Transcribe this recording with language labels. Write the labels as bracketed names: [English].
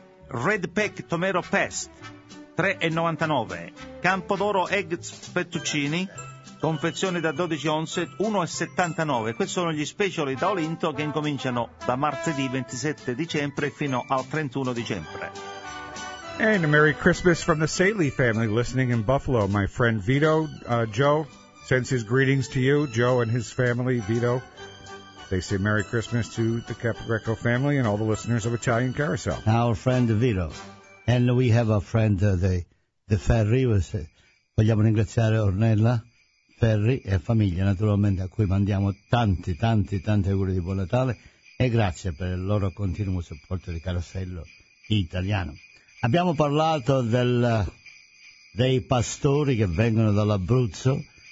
[English] Red Peck Tomato Pest, 3,99. [Italian] Campodoro Egg Fettuccini, confezione da 12 onze, 1,79. Questi sono gli speciali da Olinto che incominciano da martedì 27 dicembre fino al 31 dicembre. [English] And a Merry Christmas from the Saley family listening in Buffalo. My friend Vito, Joe, sends his greetings to you, Joe and his family, Vito. They say Merry Christmas to the Capogreco family and all the listeners of Italian Carousel. Our friend Vito. And we have a friend, the Ferri. [Italian] Vogliamo ringraziare Ornella, Ferri e famiglia, naturalmente, a cui mandiamo tanti, tanti, tanti auguri di Buon Natale e grazie per il loro continuo supporto di Carosello Italiano. Abbiamo parlato dei pastori che vengono dall'Abruzzo,